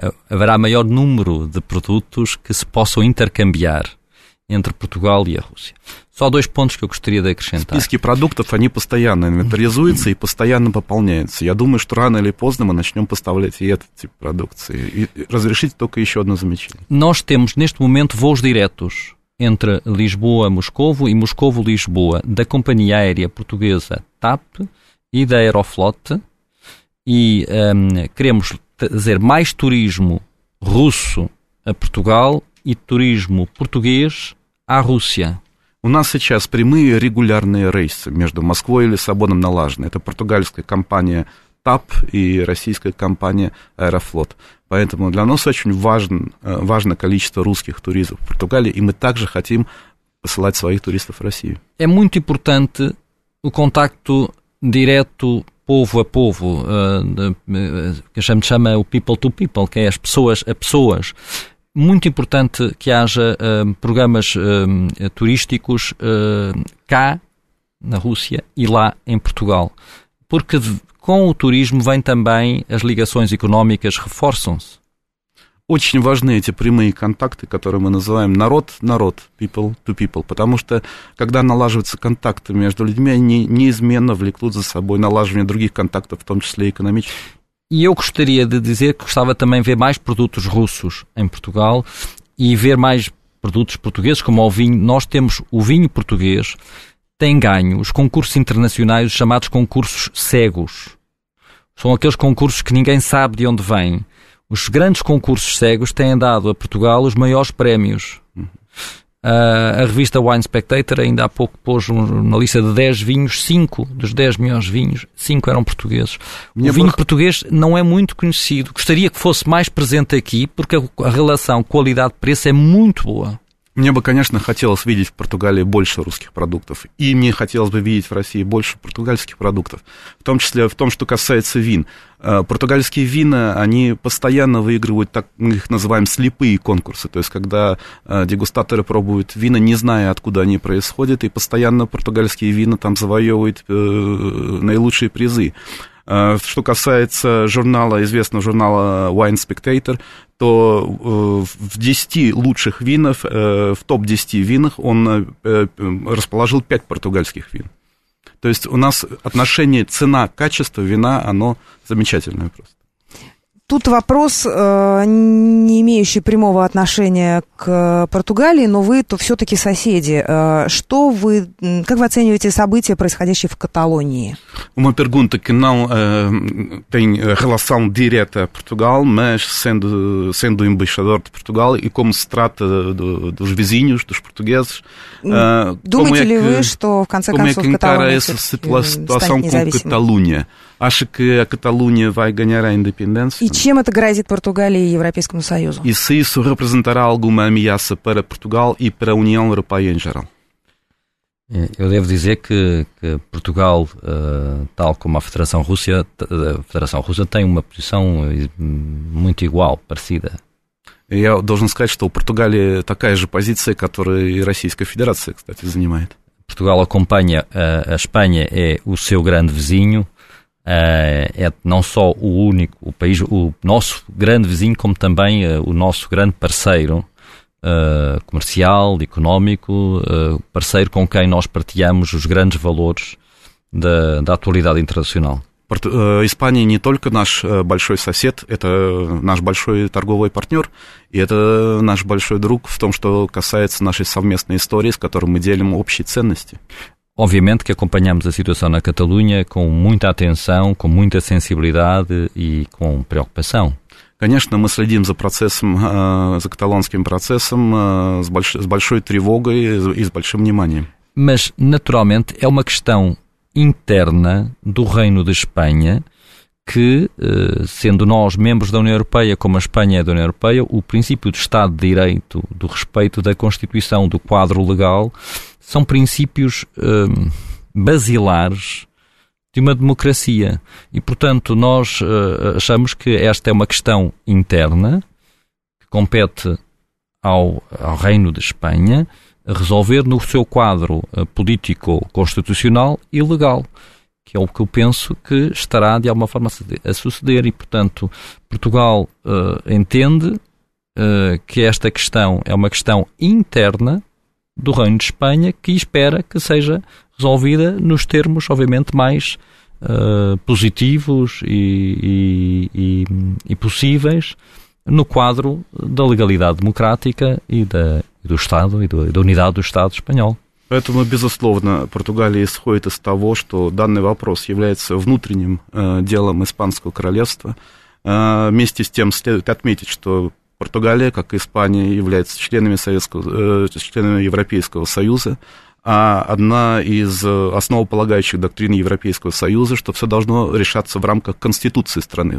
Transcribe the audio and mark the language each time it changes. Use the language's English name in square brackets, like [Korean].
[Portuguese] haverá maior número de produtos que se possam intercambiar entre Portugal e a Rússia. Só dois pontos que eu gostaria de acrescentar. [Russian] Списки продуктов, они постоянно инвентаризуются и постоянно пополняются. Я думаю, что рано или поздно мы начнем поставлять и этот тип продукции. И разрешите только еще одно замечание. [Portuguese] Nós temos neste momento voos diretos entre Lisboa-Moscovo e Moscovo-Lisboa da companhia aérea portuguesa TAP e da Aeroflot e queremos trazer mais turismo russo a Portugal e turismo português à Rússia. [Russian] У нас сейчас прямые регулярные рейсы между Москвой и Лиссабоном налажены. Это португальская компания TAP и российская компания Аэрофлот. Поэтому для нас очень важно количество русских туристов в Португалии, и мы также хотим посылать своих туристов в Россию. [Portuguese] É muito importante o contacto direto povo a povo, que a gente chama o [English] people to people, [Portuguese] que é as pessoas a pessoas. Muito importante que haja programas turísticos cá, na Rússia, e lá em Portugal. Porque com o turismo vem também as ligações económicas reforçam-se. [Russian] Очень важны эти прямые контакты, которые мы называем народ-народ, [English] people to people, [Russian] потому что, когда налаживаются контакты между людьми, они неизменно влекут за собой налаживание других контактов, в том числе экономических. [Portuguese] E eu gostaria de dizer que gostava também de ver mais produtos russos em Portugal e ver mais produtos portugueses, como o vinho. Nós temos o vinho português, tem ganho. Os concursos internacionais, os chamados concursos cegos, são aqueles concursos que ninguém sabe de onde vêm. Os grandes concursos cegos têm dado a Portugal os maiores prémios. A revista Wine Spectator ainda há pouco pôs na lista de 10 vinhos, 5 dos 10 melhores vinhos, 5 eram portugueses. Português não é muito conhecido. Gostaria que fosse mais presente aqui, porque a relação qualidade-preço é muito boa. [Russian] Мне бы, конечно, хотелось видеть в Португалии больше русских продуктов. И мне хотелось бы видеть в России больше португальских продуктов. В том числе в том, что касается вин. Португальские вина, они постоянно выигрывают, так мы их называем, слепые конкурсы. То есть, когда дегустаторы пробуют вина, не зная, откуда они происходят, и постоянно португальские вина там завоевывают наилучшие призы. Что касается журнала, известного журнала Wine Spectator, то в 10 лучших винах, в топ-10 винах он расположил 5 португальских вин. То есть у нас отношение цена-качество вина, оно замечательное просто. Тут вопрос, не имеющий прямого отношения к Португалии, но вы то все-таки соседи. Что вы, как вы оцениваете события, происходящие в Каталонии? [Portuguese] Uma pergunta que não tem relação direta a Portugal, mas sendo embaixador de Portugal e como se trata dos vizinhos, dos portugueses. [Russian] Думаете ли вы, что в конце концов Каталония станет независимой? [Portuguese] Como é que encara essa situação com Catalunha? Acha que a Catalunha vai ganhar a independência? E [Russian] чем это грозит Португалии и Европейскому Союзу? [Portuguese] E se isso representará alguma ameaça para Portugal e para a União Europeia em geral? Eu devo dizer que Portugal, tal como a Federação Russa, tem uma posição muito igual, parecida. Eu devo dizer que o Portugal é a mesma posição que a [Russian] Российская Федерация, кстати, занимает. [Portuguese] Portugal acompanha, a Espanha é o seu grande vizinho, é não só o único, o país, o nosso grande vizinho, como também o nosso grande parceiro. Comercial, económico, parceiro com quem nós partilhamos os grandes valores da atualidade internacional. [Russian] Испания не только наш большой сосед, это наш большой торговый партнер, и это наш большой друг в том, что касается нашей совместной истории, с которой мы делим общие ценности. [Portuguese] Obviamente que acompanhamos a situação na Catalunha com muita atenção, com muita sensibilidade e com preocupação. [Russian] Конечно, мы следим за процессом, за каталонским процессом с большой тревогой и с большим вниманием. [Portuguese] Mas, naturalmente, é uma questão interna do Reino de Espanha que, sendo nós membros da União Europeia, como a Espanha é da União Europeia, o princípio do Estado de Direito, do respeito da Constituição, do quadro legal, são princípios basilares de uma democracia. E, portanto, nós achamos que esta é uma questão interna que compete ao Reino de Espanha resolver no seu quadro político, constitucional e legal. que é o que eu penso que estará de alguma forma a suceder e, portanto, Portugal entende que esta questão é uma questão interna do Reino de Espanha que espera que seja resolvida nos termos, obviamente, mais positivos e possíveis no quadro da legalidade democrática e do Estado e da unidade do Estado espanhol. [Russian] Поэтому, безусловно, Португалия исходит из того, что данный вопрос является внутренним делом Испанского королевства. Вместе с тем следует отметить, что Португалия, как и Испания, является членами Европейского Союза, а одна из основополагающих доктрин Европейского Союза, что все должно решаться в рамках конституции страны.